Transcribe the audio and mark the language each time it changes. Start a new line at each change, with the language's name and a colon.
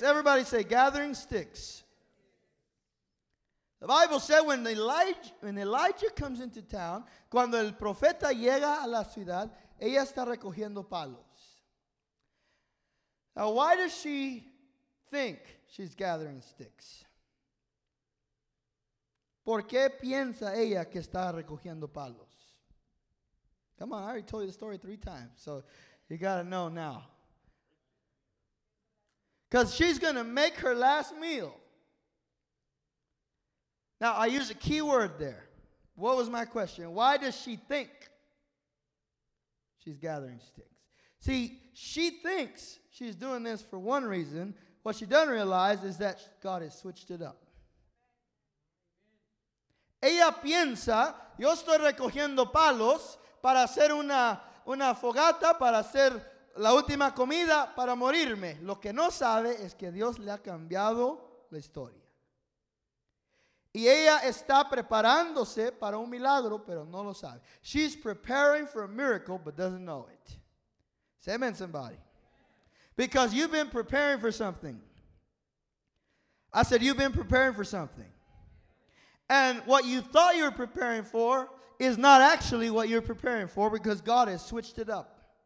English: Everybody say, gathering sticks. The Bible said when Elijah comes into town,
Spanish: cuando el profeta llega a la ciudad, ella está recogiendo palos.
English: Now, why does she think she's gathering sticks?
Spanish: ¿Por qué piensa ella que está recogiendo palos?
English: Come on, I already told you the story 3 times, so you got to know now. Because she's going to make her last meal. Now, I use a key word there. What was my question? Why does she think she's gathering sticks? See, she thinks she's doing this for one reason. What she doesn't realize is that God has switched it up.
Spanish: Ella piensa, yo estoy recogiendo palos para hacer una fogata, para hacer la última comida, para morirme. Lo que no sabe es que Dios le ha cambiado la historia. Y ella está preparándose para un milagro, pero no lo sabe.
English: She's preparing for a miracle, but doesn't know it. Say amen, somebody. Because you've been preparing for something. I said, you've been preparing for something. And what you thought you were preparing for is not actually what you're preparing for, because God has switched it up.